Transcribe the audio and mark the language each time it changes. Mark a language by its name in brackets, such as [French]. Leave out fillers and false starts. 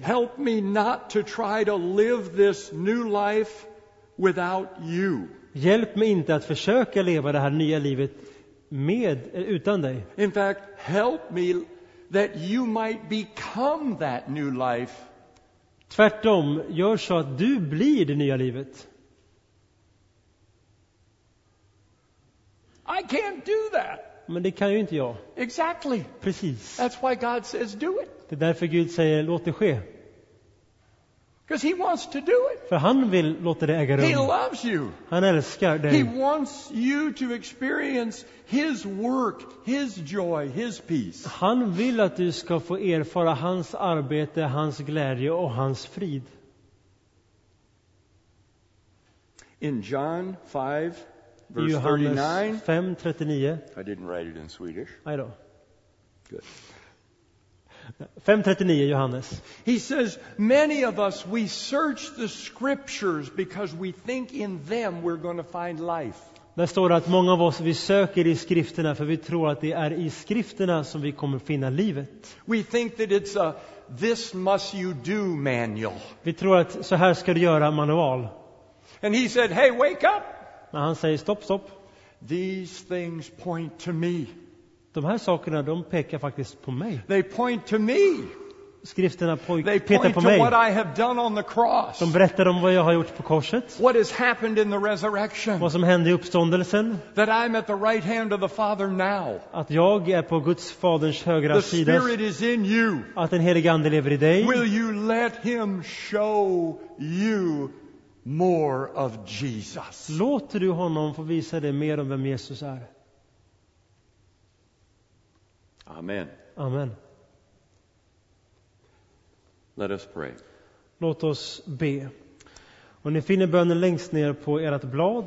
[English] Help me not to try to live this new life without you. [Swedish] Hjälp mig inte att försöka leva det här nya livet. Med utan dig. [English] In fact, help me that you might become that new life. [Swedish] Tvärtom, gör så att du blir det nya livet. [English] I can't do that. [Swedish] Men det kan ju inte jag. [English] Exactly. [Swedish] Precis. [English] That's why God says do it. [Swedish] Det är därför Gud säger låt det ske. [English] Because he wants to do it. [Swedish] För han vill låta det äga rum. [English] He loves you. [Swedish] Han älskar dig. [English] He wants you to experience his work, his joy, his peace. [Swedish] Han vill att du ska få erfara hans arbete, hans glädje och hans frid. [English] In John 5 verse [Swedish] Johannes 39. 5:39. [English] I didn't write it in Swedish. I don't. Good. [Swedish] 5:39 Johannes. [English] He says many of us we search the scriptures because we think in them we're going to find life. [Swedish] Där står det att många av oss vi söker i skrifterna för vi tror att det är i skrifterna som vi kommer finna livet. [English] We think that it's a this must you do manual. [Swedish] Vi tror att så här ska du göra manual. [English] And he said, "Hey, wake up." [Swedish] Men han säger stopp. [English] These things point to me. [Swedish] De här sakerna, de pekar faktiskt på mig. [English] They point to me. [Swedish] Skrifterna pekar på mig. [English] What I have done on the cross. [Swedish] De berättar om vad jag har gjort på korset. [English] What has happened in the resurrection. [Swedish] Vad som hände i uppståndelsen. [English] That I'm at the right hand of the Father now. [Swedish] Att jag är på Guds faders högra sida. [English] The Spirit is in you. [Swedish] Att den helige ande lever i dig. [English] Will you let him show you more of Jesus? [Swedish] Låter du honom få visa dig mer om vem Jesus är? Amen. Amen. [English] Let us pray. [Swedish] Låt oss be. Och ni finner bönen längst ner på ert blad.